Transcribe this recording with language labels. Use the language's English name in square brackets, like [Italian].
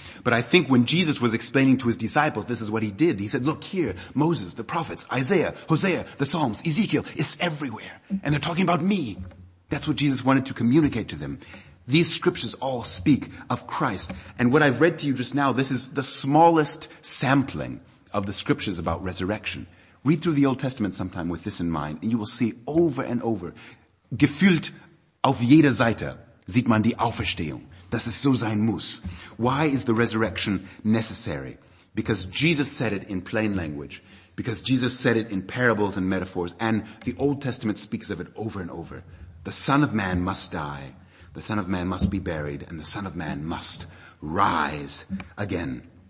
[English] But I think when Jesus was explaining to his disciples, this is what he did. He said, "Look here, Moses, the prophets, Isaiah, Hosea, the Psalms, Ezekiel, it's everywhere. And they're talking about me." That's what Jesus wanted to communicate to them. These scriptures all speak of Christ. And what I've read to you just now, this is the smallest sampling of the scriptures about resurrection. Read through the Old Testament sometime with this in mind, and you will see over and over, [German] gefühlt auf jeder Seite sieht man die Auferstehung, dass es so sein muss. [English] Why is the resurrection necessary? Because Jesus said it in plain language. Because Jesus said it in parables and metaphors. And the Old Testament speaks of it over and over. The Son of Man must die. The Son of Man must be buried. And the Son of Man must rise again.